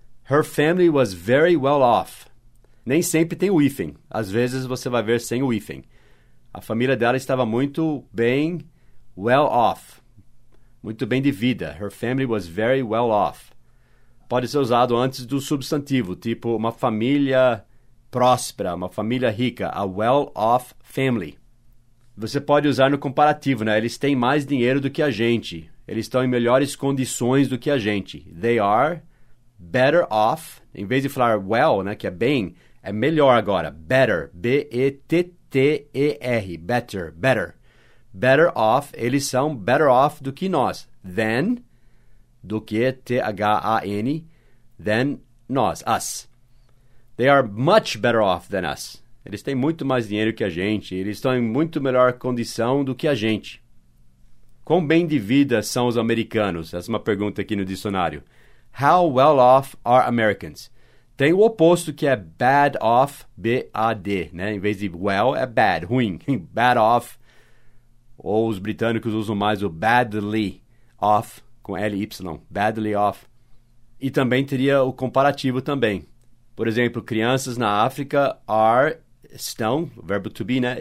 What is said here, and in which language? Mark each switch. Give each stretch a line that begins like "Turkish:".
English: Her family was very well off.
Portuguese: Nem sempre tem o hífen. Às vezes você vai ver sem o hífen. A família dela estava muito bem, well off. Muito bem de vida.
English: Her family was very well off.
Portuguese: Pode ser usado antes do substantivo, tipo uma família próspera, uma família rica.
English: A well-off family.
Portuguese: Você pode usar no comparativo, né? Eles têm mais dinheiro do que a gente. Eles estão em melhores condições do que a gente.
English: They are better off.
Portuguese: Em vez de falar well, né, que é bem, é melhor agora.
English: Better. B-E-T-T-E-R. Better. Better.
Portuguese: Better off, eles são better off do que nós. Than, do que, T-H-A-N, than nós, us.
English: They are much better off than us.
Portuguese: Eles têm muito mais dinheiro que a gente. Eles estão em muito melhor condição do que a gente. Quão bem de vida são os americanos? Essa é uma pergunta aqui no dicionário.
English: How well off are Americans?
Portuguese: Tem o oposto que é bad off, B-A-D, né? Em vez de well, é bad, ruim. Bad off. Ou os britânicos usam mais o badly off, com L-Y, badly off. E também teria o comparativo também. Por exemplo, crianças na África estão, o verbo to be, né?